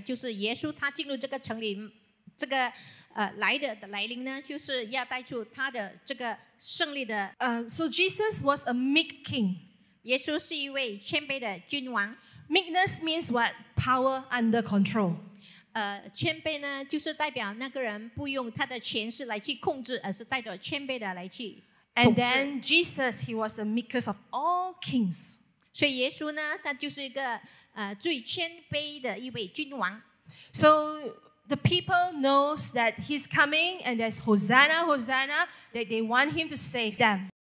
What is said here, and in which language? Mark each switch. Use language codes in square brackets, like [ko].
[zh] 所以撒迦利亚第九章第九节讲的就是耶稣他进入这个城里这个 来的来临呢，就是要带出他的这个胜利的。 [en] So Jesus was a meek king. [zh] 耶稣是一位谦卑的君王。 [en] Meekness means what? Power under control. [zh] 谦卑呢，就是代表那个人不用他的权势来去控制，而是带着谦卑的来去。 [en] And then Jesus, he was the meekest of all kings. [zh] 所以耶稣呢，他就是一个最谦卑的一位君王。 [en] So the people knows that he's coming and there's Hosanna, Hosanna, that they want him to save them.